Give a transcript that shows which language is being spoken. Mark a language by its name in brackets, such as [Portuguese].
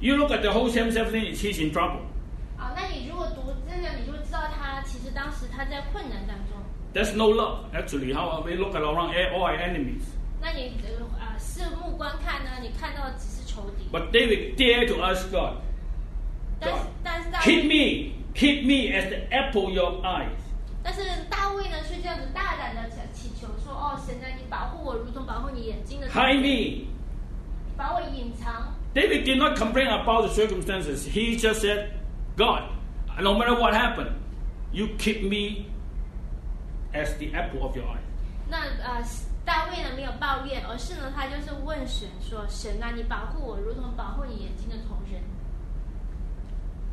[English] You look at the whole Psalm 17, he's in trouble. [Chinese] 那你如果读真的，你就知道他其实当时他在困难当中。 [English] There's no love, actually. How we look at around all our enemies. [Chinese] 那你四目观看呢？你看到的只是仇敌。 [English] But David dared to ask God. [Chinese] 但是大卫， [English] keep me as the apple of your eyes. [Chinese] 但是大卫呢，却这样子大胆的祈求说：“哦，神啊，你保护我，如同保护你眼睛的。” [English] Hide me， [Chinese] 把我隐藏。 [English] David did not complain about the circumstances. He just said, "God, no matter what happened, you keep me as the apple of your eye." [Chinese] 那大卫呢没有抱怨，而是呢他就是问神说：“神啊，你保护我，如同保护你眼睛的同人。”